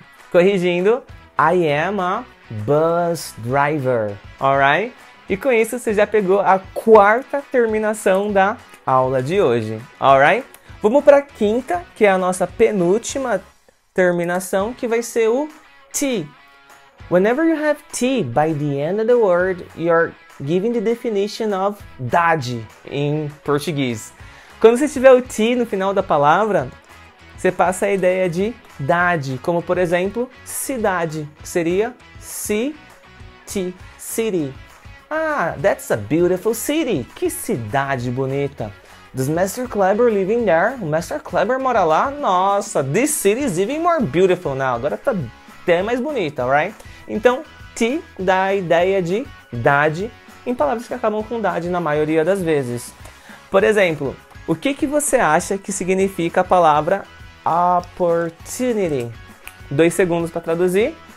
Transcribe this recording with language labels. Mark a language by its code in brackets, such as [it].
[pt] Corrigindo, [en] I am a bus driver, alright? [pt] E com isso você já pegou a quarta terminação da aula de hoje, [en] alright? [pt] Vamos para a quinta, que é a nossa penúltima terminação, que vai ser o T. [en] Whenever you have T by the end of the word, you're giving the definition of dad in português. [pt] Quando você tiver o ti no final da palavra, você passa a ideia de dade, como por exemplo, cidade, que seria city, city. [en] Ah, that's a beautiful city. [pt] Que cidade bonita. [en] Does Master Kleber living there? [pt] O Master Kleber mora lá? Nossa, [en] this city is even more beautiful now. [pt] Agora tá até mais bonita, [en] right? [pt] Então, ti dá a ideia de dade em palavras que acabam com dade na maioria das vezes. Por exemplo, o que que você acha que significa a palavra opportunity? 2 segundos para traduzir.